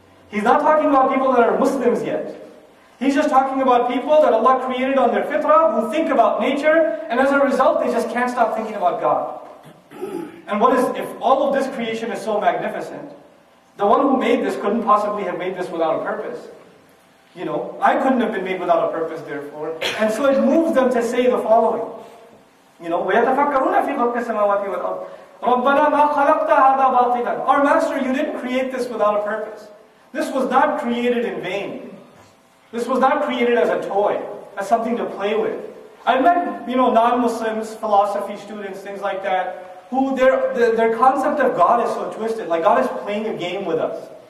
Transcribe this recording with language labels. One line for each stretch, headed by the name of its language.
English: He's not talking about people that are Muslims yet. He's just talking about people that Allah created on their fitrah, who think about nature, and as a result, they just can't stop thinking about God. And what is, if all of this creation is so magnificent, the one who made this couldn't possibly have made this without a purpose. You know, I couldn't have been made without a purpose, therefore. And so it moves them to say the following. You know,
Arabic: وَيَتَفَكَّرُونَ فِي خَلْقِ السَّمَاوَاتِ وَالْأَرْضِ رَبَّنَا مَا خَلَقْتَ هَذَا بَاطِلًا.
English: Our Master, You didn't create this without a purpose. This was not created in vain. This was not created as a toy, as something to play with. I've met, you know, non-Muslims, philosophy students, things like that, who their concept of God is so twisted, like God is playing a game with us.